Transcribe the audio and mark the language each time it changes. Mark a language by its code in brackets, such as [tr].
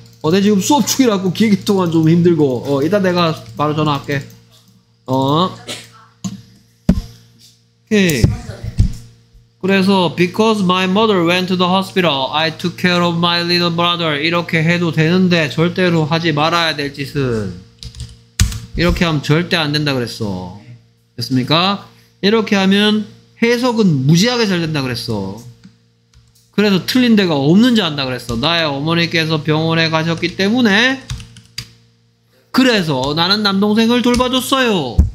[ko] 내 지금 수업 중이라고 기기 통화 좀 힘들고. 이따 내가 바로 전화할게. 오케이. 그래서 [en] because my mother went to the hospital, I took care of my little brother. [ko] 이렇게 해도 되는데 절대로 하지 말아야 될 짓은, 이렇게 하면 절대 안 된다 그랬어. 됐습니까? 이렇게 하면 해석은 무지하게 잘 된다 그랬어. 그래서 틀린 데가 없는 줄 안다 그랬어. 나의 어머니께서 병원에 가셨기 때문에 그래서 나는 남동생을 돌봐줬어요.